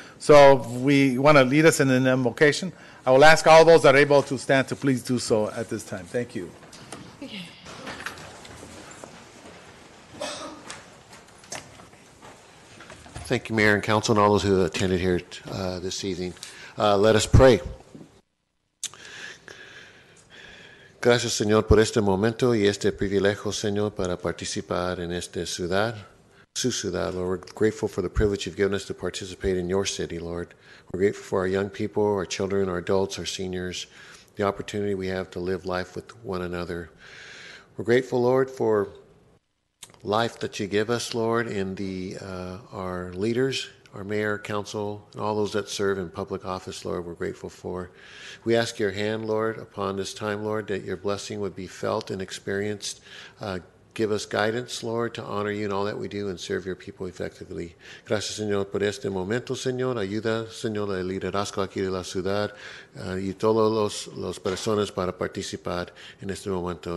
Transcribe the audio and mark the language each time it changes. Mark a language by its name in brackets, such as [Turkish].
[English] So we want to lead us in an invocation. I will ask all those that are able to stand to please do so at this time. Thank you. Thank you, Mayor and Council, and all those who attended here this evening. Let us pray. [Spanish] Gracias, Señor, por este momento y este privilegio, Señor, para participar en esta ciudad. [English] Lord, we're grateful for the privilege you've given us to participate in your city, Lord. We're grateful for our young people, our children, our adults, our seniors, the opportunity we have to live life with one another. We're grateful, Lord, for life that you give us, Lord, in the our leaders, our mayor, council, and all those that serve in public office, Lord, we're grateful for. We ask your hand, Lord, upon this time, Lord, that your blessing would be felt and experienced. Give us guidance, Lord, to honor you in all that we do and serve your people effectively. [Spanish] Gracias, Señor, por este momento, Señor. Ayuda, Señor, el liderazgo aquí de la ciudad y todos los personas para participar en este momento.